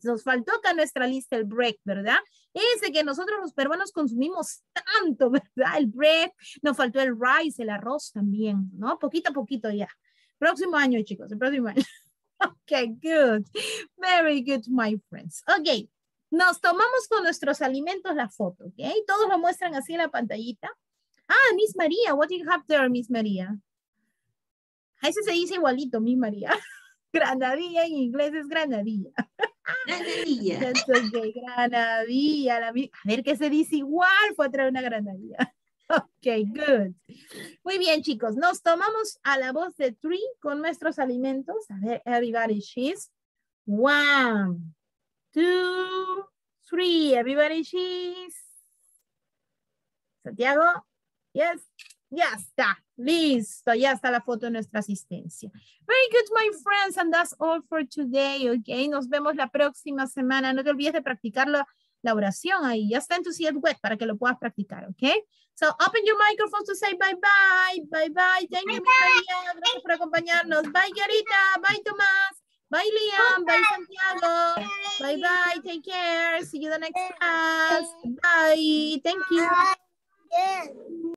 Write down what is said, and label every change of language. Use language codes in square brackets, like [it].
[es] Nos faltó acá en nuestra lista el bread, ¿verdad? Ese que nosotros los peruanos consumimos tanto, ¿verdad? El bread. Nos faltó el rice, el arroz también, ¿no? Poquito a poquito ya. Próximo año, chicos, el próximo año. Ok, good. [en] Very good, my friends. [es] Ok, nos tomamos con nuestros alimentos la foto, ¿ok? Todos lo muestran así en la pantallita. [en] Ah, Miss María, what do you have there, Miss María? [es] A ese se dice igualito, Miss María. Granadilla en inglés es granadilla. Granadilla. [en] Okay, granadilla. [es] A ver qué se dice igual, fue a traer una granadilla. Ok, good. Muy bien, chicos. Nos tomamos a la voz de three con nuestros alimentos. [en] A ver, everybody, she's. One, two, three. Everybody, she's. Santiago. [es] Yes, ya está. Listo, ya está la foto de nuestra asistencia. [en] Very good, my friends. And that's all for today, ok. [es] Nos vemos la próxima semana. No te olvides de practicar la oración ahí. Ya está en tu sitio web para que lo puedas practicar, ok. [en] So, open your microphones to say bye bye. Bye bye. Thank you, María. [es] Gracias por acompañarnos. [en] Bye, Yarita. Bye, Tomás. Bye, Liam. Bye, Santiago. Bye bye. Take care. See you the next class. Bye. Thank you. Bye. Yeah.